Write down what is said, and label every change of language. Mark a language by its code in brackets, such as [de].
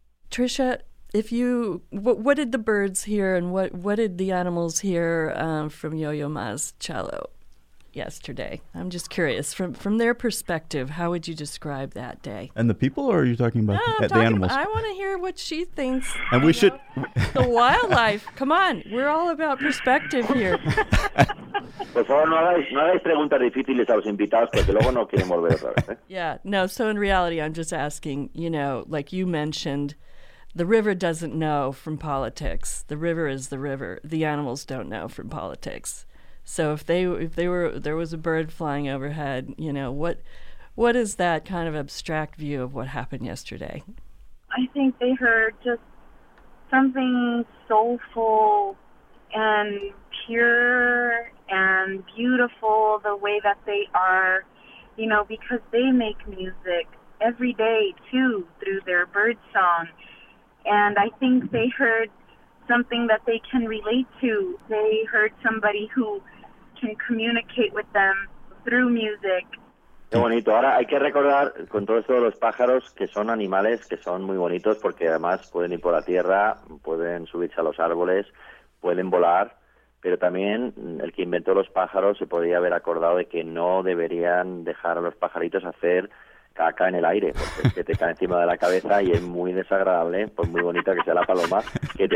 [en] Tricia, if you, what did the birds hear and what did the animals hear from Yo-Yo Ma's cello yesterday? I'm just curious. From their perspective, how would you describe that day? And the people, or are you talking about the animals? I want to hear what she thinks. And we should... The wildlife. Come on. We're all about perspective here. [es] Por favor, no hagáis preguntas difíciles a los invitados, porque luego no quieren volver otra vez. [en] Yeah. No, so in reality, I'm just asking, you know, like you mentioned... The river doesn't know from politics. The river is the river. The animals don't know from politics. So if there was a bird flying overhead, you know, what is that kind of abstract view of what happened yesterday? I think they heard just something soulful and pure and beautiful the way that they are, you know, because they make music every day too through their bird song. And I think they heard something that they can relate to. They heard somebody who can communicate with them through music. [es] Qué bonito. Ahora hay que recordar con todo esto de los pájaros que son animales que son muy bonitos porque además pueden ir por la tierra, pueden subirse a los árboles, pueden volar. Pero también el que inventó los pájaros se podría haber acordado de que no deberían dejar a los pajaritos hacer caca en el aire, porque es que te cae encima de la cabeza y es muy desagradable, pues muy bonita que sea la paloma, que te